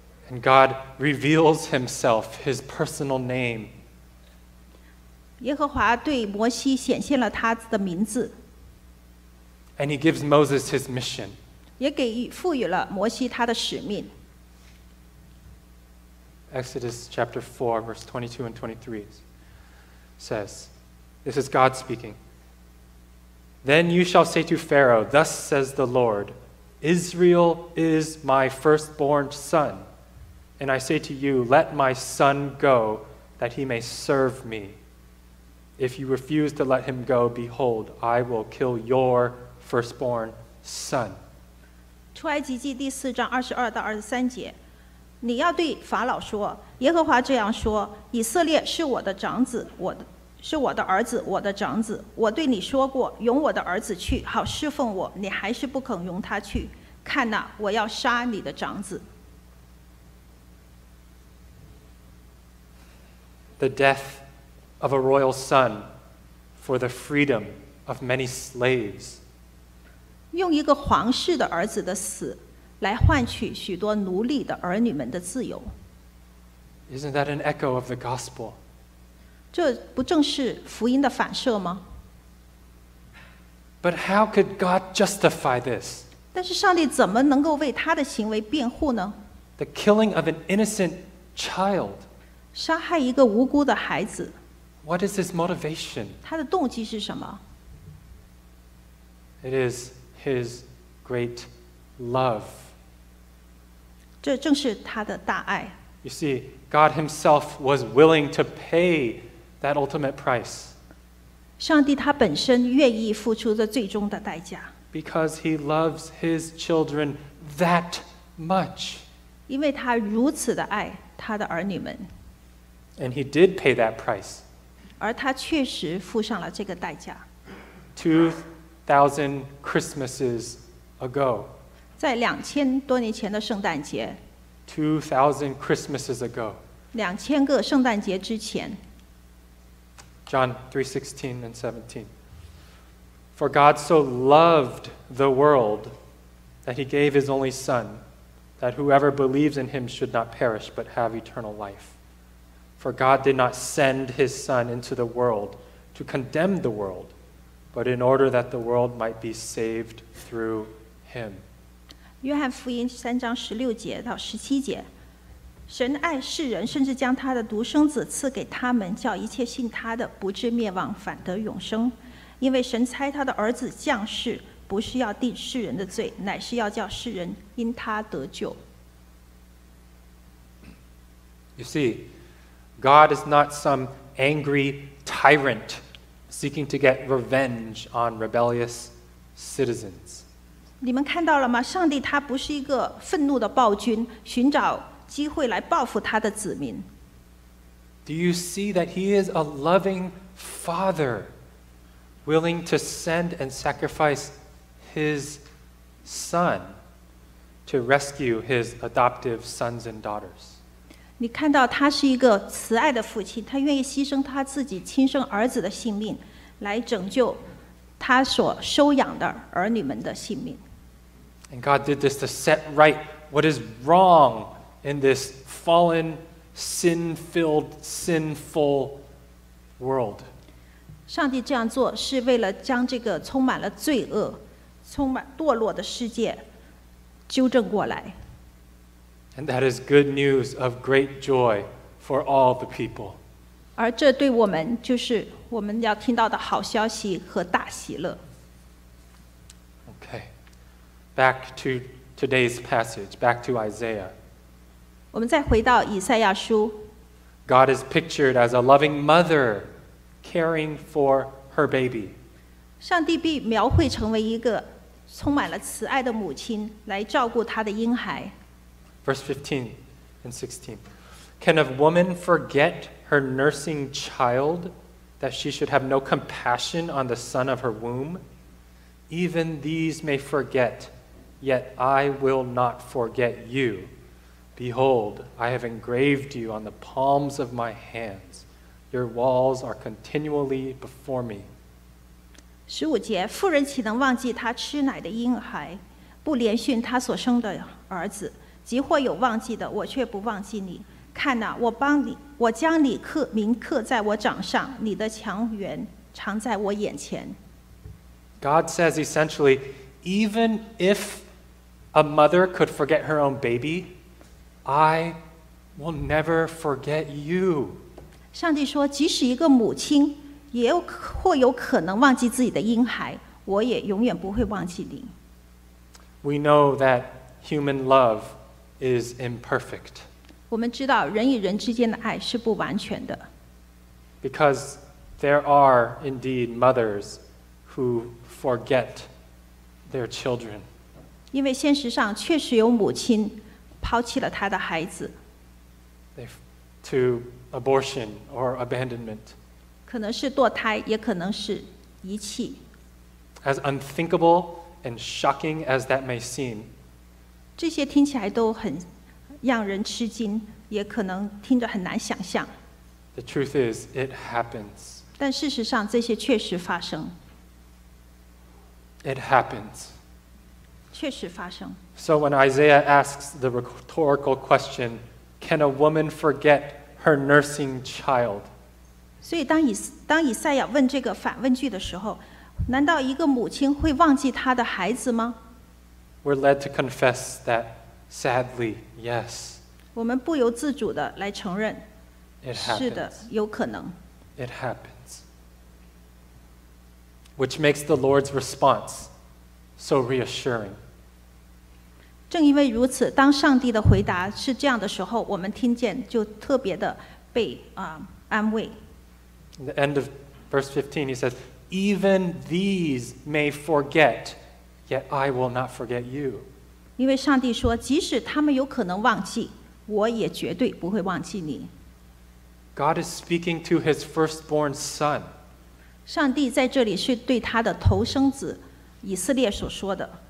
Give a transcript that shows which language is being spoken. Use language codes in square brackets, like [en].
[en] And God reveals himself, his personal name. [zh] 耶和华对摩西显现了他的名字。 [en] And he gives Moses his mission. [zh] 也给赋予了摩西他的使命。 [en] Exodus chapter 4, verse 22 and 23 says, this is God speaking. Then you shall say to Pharaoh, Thus says the Lord, Israel is my firstborn son. And I say to you, Let my son go, that he may serve me. If you refuse to let him go, behold, I will kill your firstborn son. [zh] 出埃及记第四章二十二到二十三节，你要对法老说，耶和华这样说，以色列是我的长子，我的。是我的儿子，我的长子。我对你说过，容我的儿子去，好侍奉我。你还是不肯容他去。看哪，我要杀你的长子。 [en] The death of a royal son for the freedom of many slaves. [zh] 用一个皇室的儿子的死，来换取许多奴隶的儿女们的自由。 [en] Isn't that an echo of the gospel? [zh] 这不正是福音的反射吗？ [en] But how could God justify this? [zh] 但是上帝怎么能够为他的行为辩护呢？ [en] The killing of an innocent child. [zh] 杀害一个无辜的孩子。 [en] What is his motivation? [zh] 他的动机是什么？ [en] It is his great love. [zh] 这正是他的大爱。 [en] You see, God himself was willing to pay that ultimate price. [zh] 上帝他本身愿意付出这最终的代价。 [en] Because he loves his children that much. [zh] 因为他如此的爱他的儿女们。 [en] And he did pay that price. [zh] 而他确实付上了这个代价。 [en] 2,000 Christmases ago. [zh] 在两千多年前的圣诞节。 [en] 2,000 Christmases ago. [zh] 两千个圣诞节之前。 [en] John 3:16 and 17. For God so loved the world that he gave his only son, that whoever believes in him should not perish but have eternal life. For God did not send his son into the world to condemn the world, but in order that the world might be saved through him. [zh] 约翰福音三章十六节到十七节。神爱世人，甚至将他的独生子赐给他们，叫一切信他的不至灭亡，反得永生。因为神差他的儿子降世，不是要定世人的罪，乃是要叫世人因他得救。 [en] You see, God is not some angry tyrant seeking to get revenge on rebellious citizens. [zh] 你们看到了吗？上帝他不是一个愤怒的暴君，寻找机会来报复他的子民。 [en] Do you see that he is a loving father, willing to send and sacrifice his son to rescue his adoptive sons and daughters? [zh] 你看到他是一个慈爱的父亲，他愿意牺牲他自己亲生儿子的性命，来拯救他所收养的儿女们的性命。 [en] And God did this to set right what is wrong. In this fallen, sin-filled, sinful world. [zh] 上帝这样做是为了将这个充满了罪恶、充满堕落的世界纠正过来。 [en] And that is good news of great joy for all the people. [zh] 而这对我们就是我们要听到的好消息和大喜乐。 [en] Okay, back to today's passage, back to Isaiah. [zh] 我们再回到以赛亚书。 [en] God is pictured as a loving mother caring for her baby. [zh] 上帝被描绘成为一个充满了慈爱的母亲来照顾她的婴孩。 [en] Verse 15 and 16. Can a woman forget her nursing child that she should have no compassion on the son of her womb? Even these may forget, yet I will not forget you. Behold, I have engraved you on the palms of my hands. Your walls are continually before me. [zh] 十五节，妇人岂能忘记她吃奶的婴孩，不怜恤她所生的儿子？即或有忘记的，我却不忘记你。看哪，我帮你，我将你刻铭刻在我掌上，你的强援常在我眼前。 [en] God says essentially, even if a mother could forget her own baby, I will never forget you. [zh] 上帝说，即使一个母亲也有或有可能忘记自己的婴孩，我也永远不会忘记你。 [en] We know that human love is imperfect. [zh] 我们知道人与人之间的爱是不完全的。 [en] Because there are indeed mothers who forget their children. [zh] 因为现实上确实有母亲抛弃了她的孩子。 [en] To abortion or abandonment. [zh] 可能是堕胎，也可能是遗弃。 [en] As unthinkable and shocking as that may seem, [zh] 这些听起来都很让人吃惊，也可能听着很难想象。 [en] The truth is, it happens. [zh] 但事实上，这些确实发生。 [en] It happens. [zh] 确实发生。 [en] So when Isaiah asks the rhetorical question, "Can a woman forget her nursing child?" [zh] 所以当以赛亚问这个反问句的时候，难道一个母亲会忘记她的孩子吗？ [en] We're led to confess that, sadly, yes. [zh] 我们不由自主地来承认。 [en] It happens. [zh] 是的，有可能。 [en] It happens. Which makes the Lord's response so reassuring. [zh] 正因为如此，当上帝的回答是这样的时候，我们听见就特别的被安慰。 [en] In the end of verse 15, he says, "Even these may forget, yet I will not forget you." [zh] 因为上帝说，即使他们有可能忘记，我也绝对不会忘记你。 [en] God is speaking to His firstborn son. [zh] 上帝在这里是对他的头生子以色列所说的。